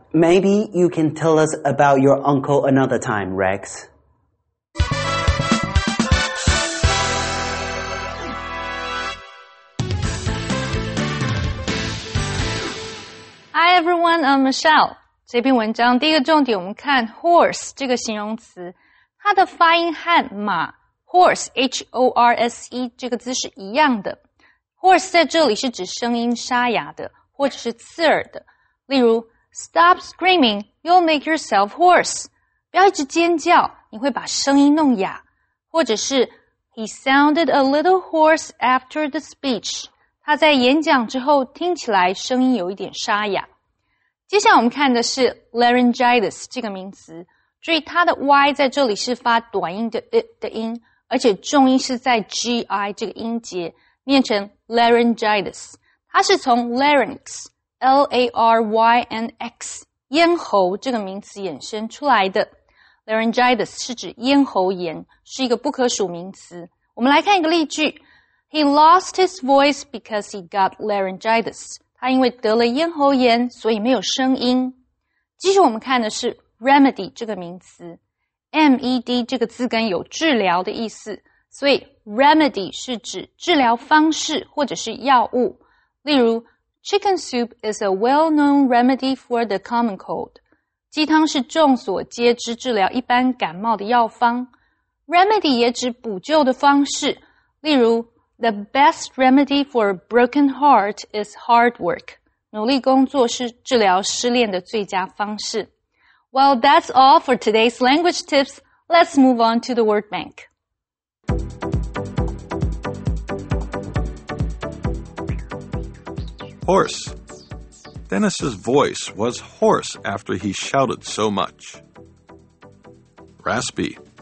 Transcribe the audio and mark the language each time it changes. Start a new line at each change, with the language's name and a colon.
English: Maybe you can tell us about your uncle another time, Rex. Hi everyone, I'm Michelle.
Chinese: 这篇文章第一个重点我们看 horse 这个形容词，它的发音和马 horse H-O-R-S-E 这个字是一样的。 horse 在这里是指声音沙哑的或者是刺耳的，例如
English: Stop screaming, you'll make yourself hoarse.
Chinese: 不要一直尖叫，你会把声音弄哑。或者是
English: He sounded a little hoarse after the speech.
Chinese: 他在演讲之后听起来声音有一点沙哑。接下来我们看的是 laryngitis 这个名词，注意它的 Y 在这里是发短音的 I 的音，而且重音是在 GI 这个音节，念成 laryngitis。它是从 larynx, L-A-R-Y-N-X, 咽喉这个名词衍生出来的。 Laryngitis 是指咽喉炎，是一个不可数名词。我们来看一个例句。
English: He lost his voice because he got laryngitis.
Chinese: 他因为得了咽喉炎，所以没有声音。继续我们看的是 remedy 这个名词。 M-E-D 这个字根有治疗的意思，所以 remedy 是指治疗方式或者是药物。例如
English: ,chicken soup is a well-known remedy for the common cold.
Chinese: 鸡汤是众所皆知治疗一般感冒的药方。 remedy 也指补救的方式。例如
English: ,the best remedy for a broken heart is hard work.
Chinese: 努力工作是治疗失恋的最佳方式。
English: Well, that's all for today's language tips. Let's move on to the word bank. Horse. Dennis's voice was hoarse after he shouted so much. Raspy.